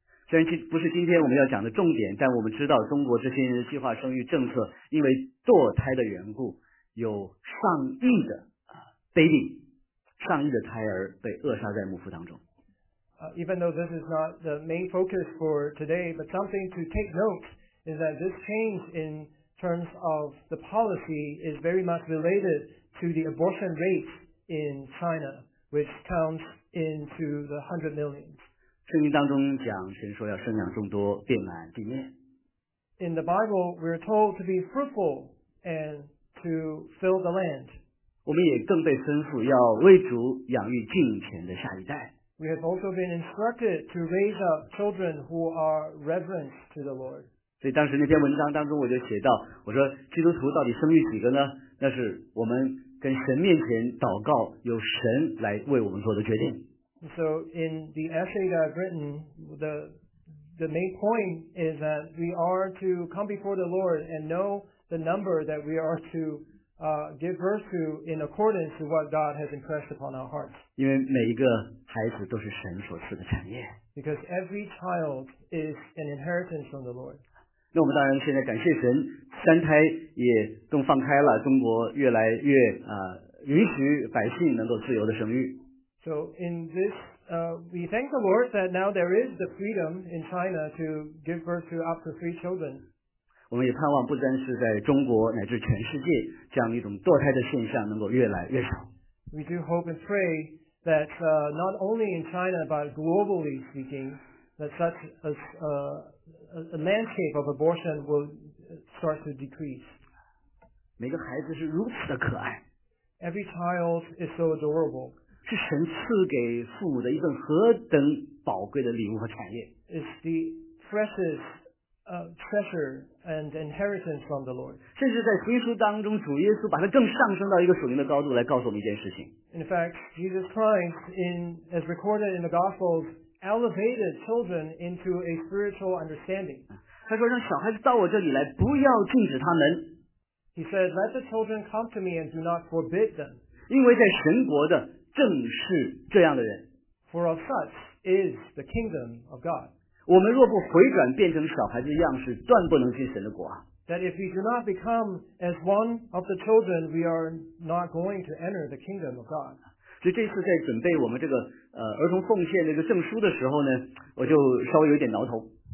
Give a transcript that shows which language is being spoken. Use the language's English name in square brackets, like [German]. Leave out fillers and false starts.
[Chinese] 虽然不是今天我们要讲的重点，但我们知道中国这些年的计划生育政策因为堕胎的缘故有上亿的baby 上亿的胎儿被扼杀在母腹当中。 [English] Even though this is not the main focus for today, but something to take note is that this change in terms of the policy is very much related to the abortion rate in China, which counts into the 100 million. [Chinese] 圣经当中讲，神说要生养众多，遍满地面。 [English] In the Bible, we are told to be fruitful and to fill the land. [Chinese] 我们也更被吩咐要为主养育敬虔的下一代。 [English] We have also been instructed to raise up children who are reverent to the Lord. [Chinese] 所以当时那篇文章当中我就写到，我说基督徒到底生育几个呢？那是我们跟神面前祷告，由神来为我们做的决定。 [English] So in the essay that I've written, the main point is that we are to come before the Lord and know the number that we are to give birth to in accordance to what God has impressed upon our hearts. [Chinese] 因为每一个孩子都是神所赐的产业。 [English] Because every child is an inheritance from the Lord. [Chinese] 那我们当然现在感谢神，三胎也更放开了，中国越来越允许百姓能够自由的生育。 [English] So in this, we thank the Lord that now there is the freedom in China to give birth to up to three children. [Chinese] 我们也盼望不单是在中国乃至全世界这样一种堕胎的现象能够越来越少。 [English] We do hope and pray that not only in China but globally speaking that such a landscape of abortion will start to decrease. [Chinese] 每个孩子是如此的可爱。 [English] Every child is so adorable. [Chinese] 是神赐给父母的一份何等宝贵的礼物和产业。 [English] It's the precious treasure and inheritance from the Lord. [Chinese] 甚至在福音书当中，主耶稣把它更上升到一个属灵的高度来告诉我们一件事情。 [English] In fact, Jesus Christ, as recorded in the Gospels, elevated children into a spiritual understanding. [Chinese] 他说：“让小孩子到我这里来，不要禁止他们。” [English] He said, "Let the children come to me and do not forbid them." [Chinese] 因为在神国的正是这样的人。 [English] For of such is the kingdom of God. [Chinese] 我们若不回转变成小孩子的样式，断不能进神的国。 [English] That if we do not become as one of the children, we are not going to enter the kingdom of God. [Chinese] 所以这次在准备我们这个儿童奉献这个证书的时候呢，我就稍微有点挠头。